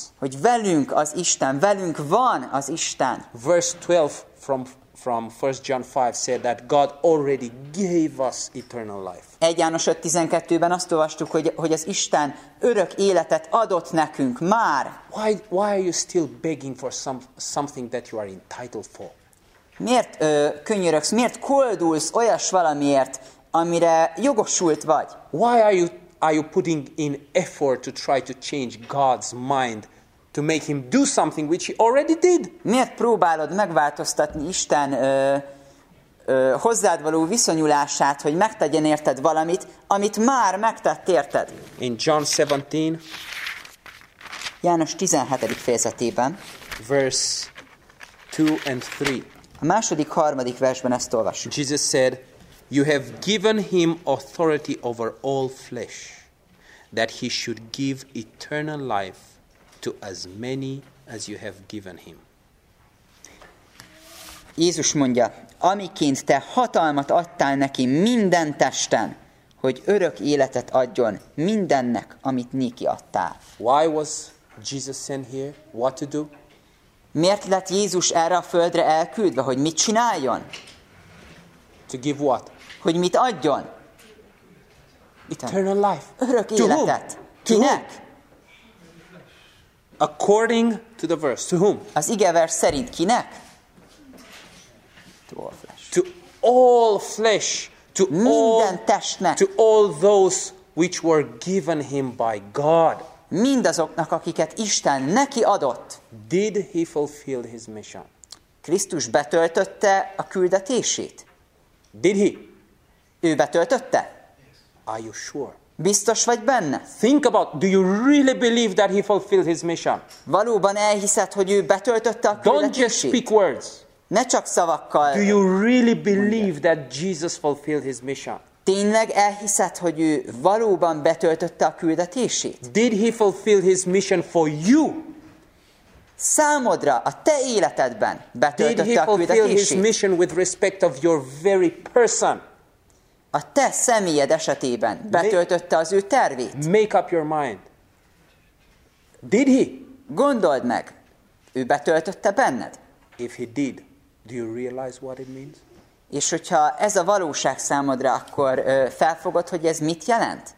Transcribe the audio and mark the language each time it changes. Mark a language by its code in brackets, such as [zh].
[hu] Hogy velünk az Isten, velünk van az Isten. [en] Verse 12 from 1 John 5 said that God already gave us eternal life. [hu] 1 János 5:12-ben azt olvastuk, hogy az Isten örök életet adott nekünk már. [en] Why are you still begging for something that you are entitled for? [hu] Miért könyörögsz, miért koldulsz olyas valamiért, amire jogosult vagy? [en] Why are you putting in effort to try to change God's mind? To make him do something which he already did. [hu] Miért próbálod megváltoztatni Isten hozzád való viszonyulását, hogy megtegyen érted valamit, amit már megtett érted? [en] In John 17, [hu] János 17. fejezetében, [en] verse 2 and 3. [hu] A második, harmadik versben ezt olvasjuk. [en] Jesus said, you have given him authority over all flesh, that he should give eternal life to as many as you have given him. [hu] Jézus mondja, amiként te hatalmat adtál neki minden testen, hogy örök életet adjon mindennek, amit néki adtál. [en] Why was Jesus sent here? What to do? [hu] Miért lett Jézus erre a földre elküldve, hogy mit csináljon? [en] To give what? [hu] Hogy mit adjon? [en] Eternal life. [hu] Örök életet. Kinek? [en] According to the verse, to whom? [hu] Az igevers szerint kinek? [en] To all flesh. To all flesh. To [hu] minden testnek. [en] To all those which were given him by God. [hu] Mindazoknak, akiket Isten neki adott. [en] Did he fulfill his mission? [hu] Krisztus betöltötte a küldetését. [en] Did he? [hu] Ő betöltötte. [en] Are you sure? [hu] Biztos vagy benne? [en] Think about, do you really believe that he fulfilled his mission? [hu] Valóban elhiszed, hogy ő betöltötte a küldetését? [en] Don't just speak words. [hu] Ne csak szavakkal. [en] Do you really believe that Jesus fulfilled his mission? [hu] Tényleg elhiszed, hogy ő valóban betöltötte a küldetését? [en] Did he fulfill his mission for you? [hu] Számodra, a te életedben betöltötte a küldetését? [en] Did he fulfill his mission with respect of your very person? [hu] A te személyed esetében betöltötte az ő tervét. [en] Make up your mind. Did he? [hu] Gondold meg. Ő betöltötte benned. [en] If he did, do you realize what it means? [hu] És hogyha ez a valóság számodra, akkor felfogod, hogy ez mit jelent?